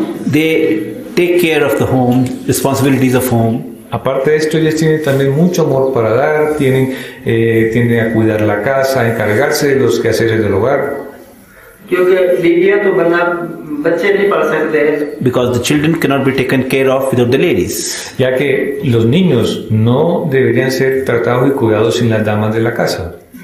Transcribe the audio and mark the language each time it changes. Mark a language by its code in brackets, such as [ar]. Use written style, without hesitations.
[en] They take care of the home, responsibilities of home. [es] Aparte de esto, ellas tienen también mucho amor para dar. Tienen a cuidar la casa, a encargarse de los quehaceres del hogar. [en] Because the children cannot be taken care of without the ladies. [es] Ya que los niños no deberían ser tratados y cuidados sin las damas de la casa.